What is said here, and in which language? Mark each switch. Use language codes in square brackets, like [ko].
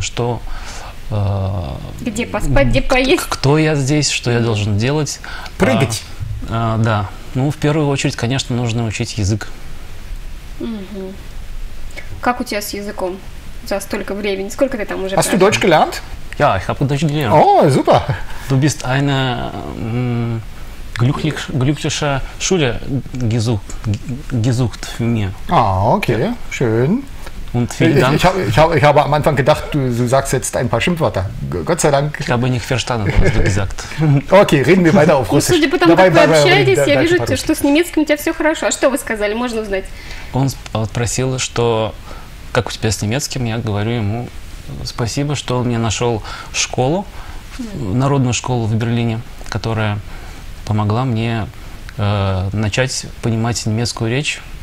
[ru] Что, где поспать, где поесть? Кто я здесь, что я должен делать? Прыгать! Да. Ну, в первую очередь, конечно, нужно учить язык. Угу. Как у тебя с языком за столько времени? Сколько ты там уже прожил? А [de] Deutsch gelernt? Ja, ich habe Deutsch gelernt. Oh, super. Du bist eine glückliche Schule gesucht für mich. Ah, okay, schön. Und vielen Dank. Ich habe am Anfang gedacht, du sagst jetzt ein paar Schimpfwörter. Gott sei Dank. Ich habe nicht verstanden, was du gesagt. Okay, reden wir weiter auf Russisch. [ru] Судя по тому, как вы общаетесь, я вижу, что с немецким у тебя все хорошо. А что вы сказали, можно узнать? Он спросил, что как у тебя с немецким, я говорю ему... Спасибо, что он мне нашел школу, народную школу в Берлине, которая помогла мне начать понимать немецкую речь.